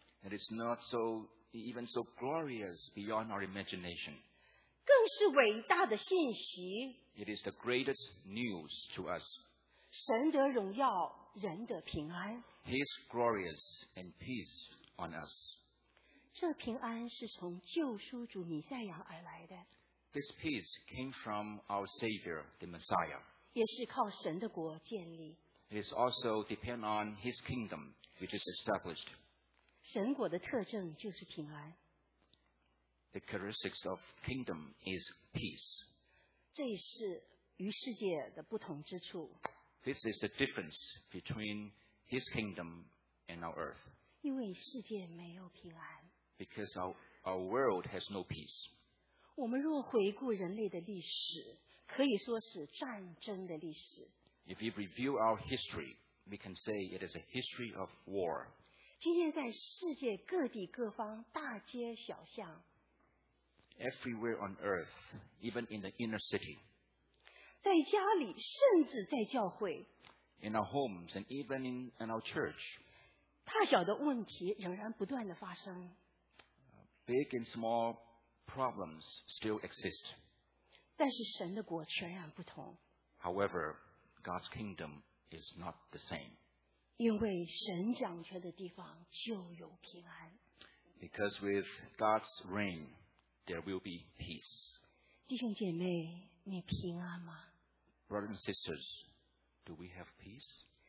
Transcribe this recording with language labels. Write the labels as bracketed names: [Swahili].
[English] it is not so even so glorious beyond our imagination. [Chinese] 更是伟大的信息, [English] it is the greatest news to us. [Chinese] 神得荣耀, 人得平安, [English] he is glorious and peace on us. [Chinese] 这平安是从救赎主弥赛亚而来的。 [English] This peace came from our Savior, the Messiah. [Chinese] 也是靠神的国建立。 [English] It is also depend on His kingdom, which is established. [Chinese] 神国的特征就是平安。 [English] The characteristics of kingdom is peace. [Chinese] 这是与世界的不同之处。 [English] This is the difference between His kingdom and our earth. [Chinese] 因为世界没有平安。 [English] Because our world has no peace. [Chinese] 我们若回顾人类的历史, 可以说是战争的历史。 [English] If we review our history, we can say it is a history of war. [Chinese] 今天在世界各地各方大街小巷, [English] everywhere on earth, even in the inner city, [Chinese] 在家里, 甚至在教会, [English] in our homes and even in our church, [Chinese] 大小的问题仍然不断地发生。 [English] Big and small problems still exist. [Chinese] 但是神的国全然不同。 [English] However, God's kingdom is not the same. [Chinese] 因为神掌权的地方就有平安。 [English] Because with God's reign, there will be peace. [Chinese] 弟兄姐妹, 你平安吗? [English] Brothers and sisters, do we have peace?